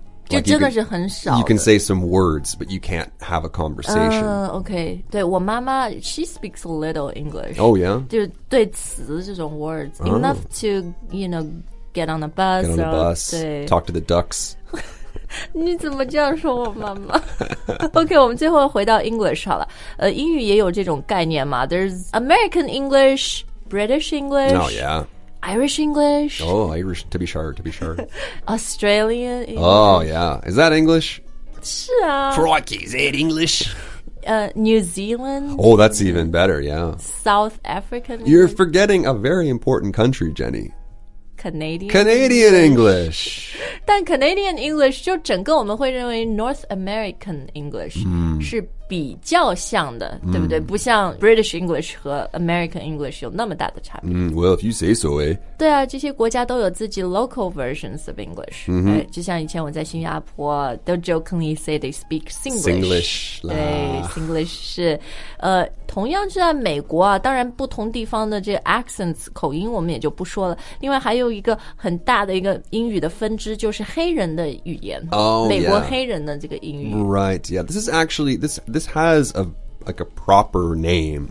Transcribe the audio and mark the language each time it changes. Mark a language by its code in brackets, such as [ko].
[zh] 就真的是很少 [en] You can say some words But you can't have a conversation Okay, [zh] 对我妈妈 [en] She speaks a little English Oh yeah? [zh] 就是对词这种 words、oh. [en] Enough to, you know, get on the bus Get on the bus Talk to the ducks [zh] 你怎么这样说我妈妈 Okay, 我们最后回到 English 好了、英语也有这种概念嘛 [en] There's American English British English Oh yeah Irish English. Oh, Irish, to be sure, to be sure. Australian English. Oh, yeah. Is that English? [zh] 是啊。 [en] Crikey, is it English? New Zealand. Oh, that's even better, yeah. South African English. You're forgetting a very important country, Jenny. Canadian English. [zh] 但 Canadian English 就整个我们会认为 North American English、 mm. 是比较像的、mm. 对不对不像 British English 和 American English 有那么大的差别、 [en] mm. Well, if you say so, eh? [zh] 对啊这些国家都有自己 [en] local versions of English、 mm-hmm. right? [zh] 就像以前我在新加坡 [en] They'll jokingly say they speak Singlish Singlish [zh] 对 Singlish 是、同样是在美国啊当然不同地方的这个 accents 口音我们也就不说了另外还有一个很大的一个英语的分支就是黑人的语言、 oh, 美国黑人的这个英语、 [en] yeah. Right, yeah This is actually This has a proper name.